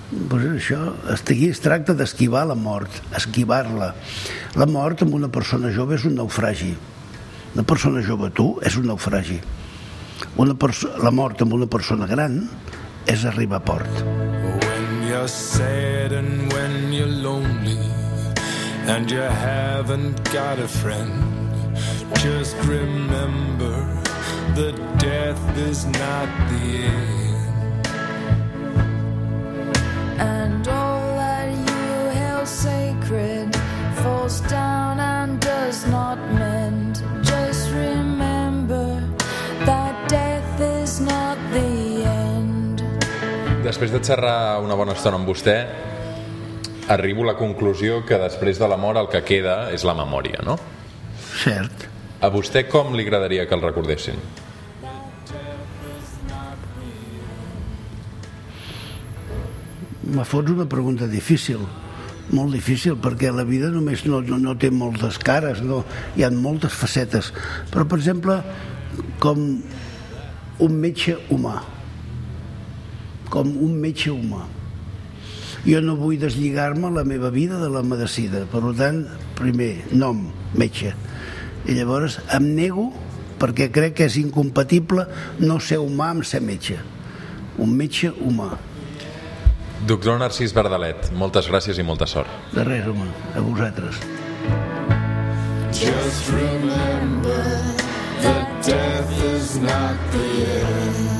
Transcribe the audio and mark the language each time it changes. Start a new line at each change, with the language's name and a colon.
Catalan: Pues això, aquí es tracta d'esquivar la mort, esquivar-la. La mort amb una persona jove és un naufragi. Una persona jove, tu, és un naufragi. La mort amb una persona gran és arribar a port.
English: When you're sad and when you're lonely and you haven't got a friend, just remember that death is not the end. And all that you held sacred falls down and does not mend. Just remember that death is not the end.
Catalan: Després de xerrar una bona estona amb vostè, arribo a la conclusió que després de la mort el que queda és la memòria, no? Cert. A vostè com li agradaria que el recordessin? Me fots una pregunta difícil, molt difícil, perquè la vida només no té moltes cares, no? Hi ha moltes facetes. Però, per exemple, com un metge humà, com un metge humà. Jo no vull deslligar-me la meva vida de la medicina, per tant, primer, nom, metge. I llavors em nego, perquè crec que és incompatible no ser humà amb ser metge. Un metge humà. Doctor Narcís Verdalet, moltes gràcies i molta sort. De res, home, a vosaltres.
English: Just remember that death is not the end.